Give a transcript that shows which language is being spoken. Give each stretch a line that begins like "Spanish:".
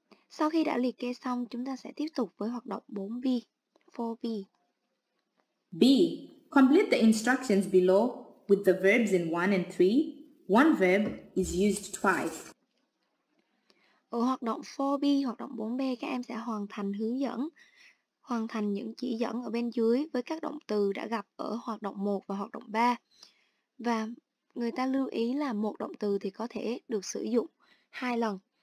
Vietnamese: Sau khi đã liệt kê xong, chúng ta sẽ tiếp tục với hoạt động 4B, 4B.
English: B. Complete the instructions below with the verbs in 1 and 3. One verb is used twice.
Vietnamese: Ở hoạt động 4B, hoạt động 4B, các em sẽ hoàn thành hướng dẫn, hoàn thành những chỉ dẫn ở bên dưới với các động từ đã gặp ở hoạt động 1 và hoạt động 3. Và người ta lưu ý là một động từ thì có thể được sử dụng hai lần.